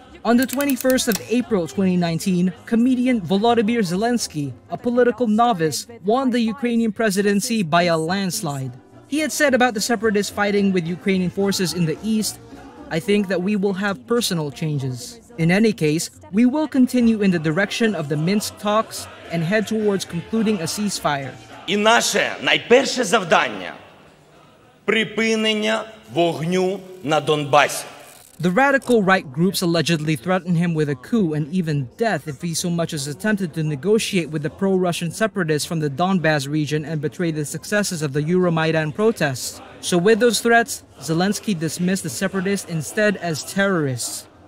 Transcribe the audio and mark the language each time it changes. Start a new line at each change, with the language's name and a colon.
English: On the 21st of April 2019, comedian Volodymyr Zelensky, a political novice, won the Ukrainian presidency by a landslide. He had said about the separatists fighting with Ukrainian forces in the east, "I think that we will have personal changes. In any case, we will continue in the direction of the Minsk talks and head towards concluding a ceasefire."
Ukrainian: І наше найперше завдання – припинення вогню на Донбасі.
English: The radical right groups allegedly threatened him with a coup and even death if he so much as attempted to negotiate with the pro-Russian separatists from the Donbas region and betray the successes of the Euromaidan protests. So with those threats, Zelensky dismissed the separatists instead as terrorists.